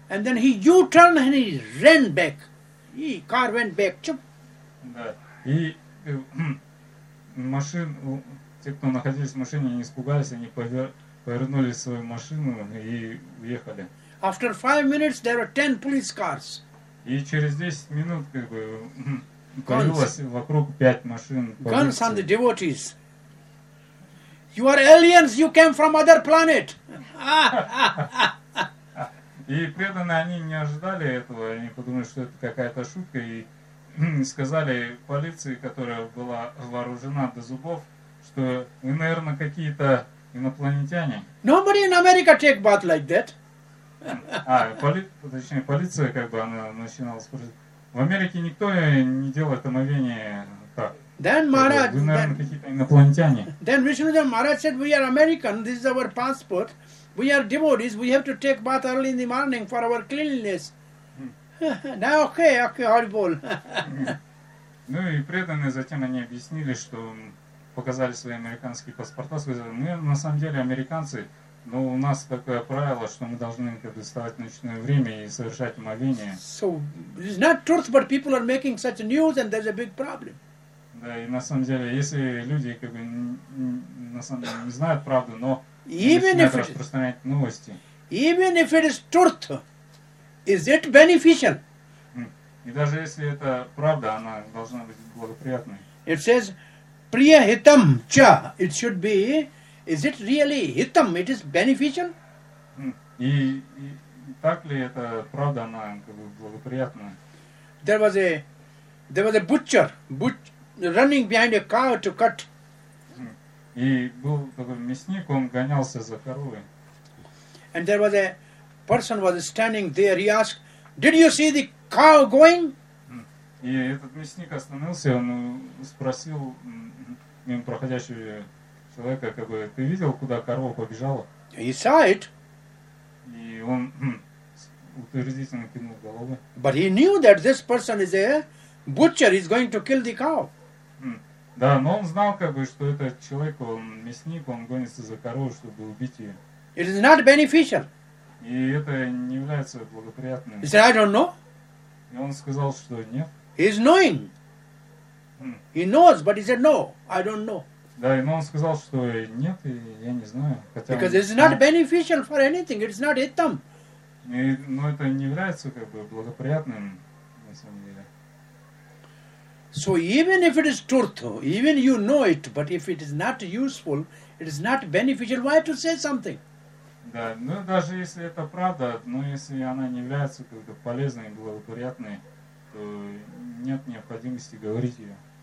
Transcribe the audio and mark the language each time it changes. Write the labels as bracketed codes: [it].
[en] And then he U-turned and he ran back. [ru] И [en] car went back. Чуп. [ru] Да. И машин... Те, кто находились в машине, они испугались, они повернули свою машину и уехали. [en] After 5 minutes, there were 10 police cars. [ru] И через 10 минут как бы, появилось вокруг 5 машин. [en] Guns on the devotees. You are aliens, you came from other planet. [ru] И преданные, они не ожидали этого, они подумали, что это какая-то шутка, и сказали полиции, которая была вооружена до зубов, что вы, наверное, какие-то инопланетяне. [en] Nobody in America take bath like that. [ru] точнее, полиция, как бы, она начинала спрашивать. В Америке никто не делает омовение так. [en] Then Maharaj, [ru] вы, наверное, какие-то инопланетяне. [en] Then Vishnudeva Maharaj said, we are American, this is our passport. We are devotees, we have to take bath early in the morning for our cleanliness. Now, okay, horrible. [ru] Ну и преданные затем они объяснили, что... Показали свои американские паспорта, сказали, мы на самом деле американцы, но у нас такое правило, что мы должны как бы, вставать в ночное время и совершать омовение. [en] So, it's not truth, but people are making such news, and there's a big problem. [ru] Да, и на самом деле, если люди как бы, на самом деле не знают правду, но [en] even [ru] начинают распространять новости. [en] Even if it is truth, is it beneficial? [ru] И даже если это правда, она должна быть благоприятной. [en] It says... [sa] Priya hitam cha. [en] It should be. Is it really hitam? It is beneficial. [ru] И так ли это правда, она как бы благоприятная? [en] There was a butcher, running behind a cow to cut. [ru] И был такой мясник, он гонялся за коровой. [en] And there was a person was standing there. He asked, "Did you see the cow going?" [ru] И этот мясник остановился, он спросил мимо проходящего человека, как бы, ты видел, куда корова побежала? [en] He saw it. [ru] И он утвердительно кивнул головой. [en] But he knew that this person is a butcher, he's going to kill the cow. [ru] Да, но он знал, как бы, что этот человек, он мясник, он гонится за коровой, чтобы убить ее. [en] It is not beneficial. [ru] И это не является благоприятным. [en] He said, I don't know. [ru] И он сказал, что нет. [en] He's knowing. He knows, but he said, no, I don't know. [ru] Да, но он сказал, что нет, и я не знаю. Хотя [en] Because it's not beneficial for anything, it's not itam. [ru] Но это не является как бы благоприятным, на самом деле. [en] So even if it is truth, even you know it, but if it is not useful, it is not beneficial, why to say something? [ru] Да, ну даже если это правда, но если она не является как бы полезной и благоприятной, нет необходимости говорить ее.